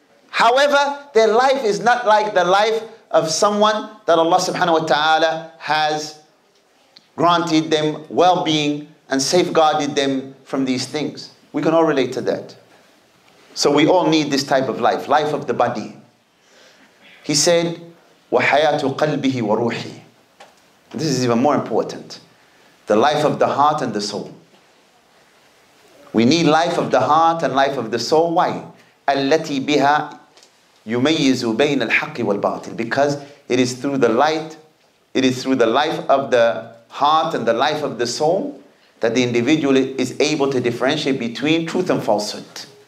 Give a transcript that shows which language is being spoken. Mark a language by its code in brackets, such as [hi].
[en] However, their life is not like the life of someone that Allah subhanahu wa ta'ala has granted them well-being and safeguarded them from these things. We can all relate to that. So we all need this type of life, life of the body. He said, [ar] وَحَيَاتُ قَلْبِهِ وَرُوحِهِ. [en] This is even more important. The life of the heart and the soul. We need life of the heart and life of the soul. Why? [ar] أَلَّتِي بِهَا يُمَيِّزُ بَيْنَ الْحَقِّ وَالْبَاطِلِ. [en] Because it is through the light, it is through the life of the heart and the life of the soul that the individual is able to differentiate between truth and falsehood.